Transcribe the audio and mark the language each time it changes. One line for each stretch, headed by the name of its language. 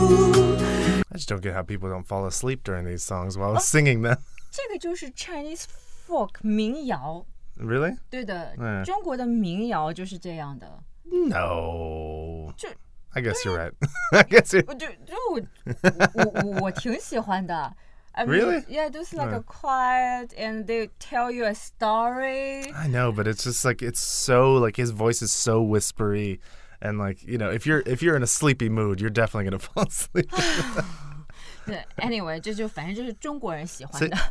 English: I just don't get how people don't fall asleep during these songs while singing them.
Chinese: 这个就是 Chinese folk 民谣。
English: Really?
Chinese: 对的，中国的民谣就是这样的。
English: No.
Chinese: 就,
English: I guess you're right. I guess you're
Chinese: right. 我挺喜欢的。
English: Really? Yeah, just like a quiet and they tell you a story. I know, but it's just like, it's so, like his voice is so whispery. And like, you know, if you're in a sleepy mood, you're definitely going to fall asleep.
Chinese: 对 ，anyway， 这就反正就是中国人喜欢的。